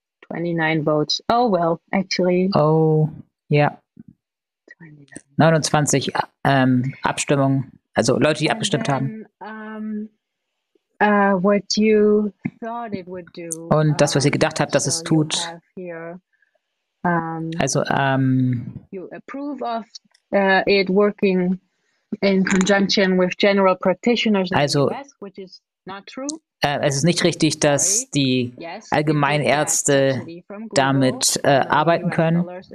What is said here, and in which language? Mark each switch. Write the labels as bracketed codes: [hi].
[en] 29 votes. Oh, well, actually. [de] Oh, ja. 29 Abstimmungen, also Leute, die abgestimmt haben. [en] what you thought it would do. [de] Und das, was ihr gedacht habt, dass es tut. Also, [en] you approve of it working in conjunction with general practitioners. Also, which is not true. [de] Es ist nicht richtig, dass die Allgemeinärzte damit arbeiten können.